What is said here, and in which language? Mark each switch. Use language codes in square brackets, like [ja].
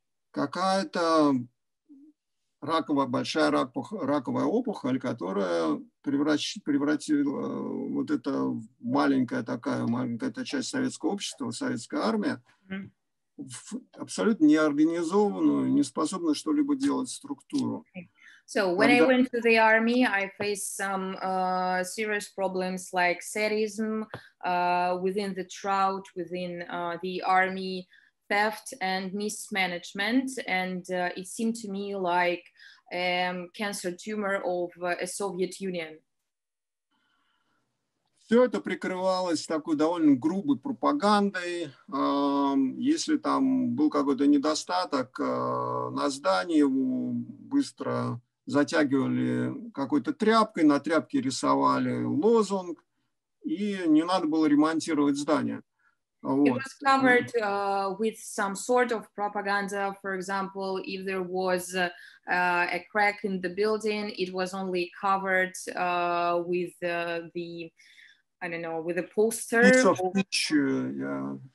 [ru] какая-то раковая опухоль, которая превратила вот это маленькая эта часть советского общества, советская армия, в абсолютно неорганизованную, неспособную что-либо делать структуру. [en] So when I went to the army, I faced some serious problems like sadism within the trout, within the army, theft and mismanagement, and it seemed to me like cancer tumor of a Soviet Union. [ru] Все это прикрывалось такой довольно грубой пропагандой. Если там был какой-то недостаток на здании, его быстро затягивали какой-то тряпкой, на тряпке рисовали лозунг, и не надо было ремонтировать здание. [en] It was covered with some sort of propaganda. For example, if there was a crack in the building, it was only covered with the, I don't know, with a poster. Piece of picture, yeah.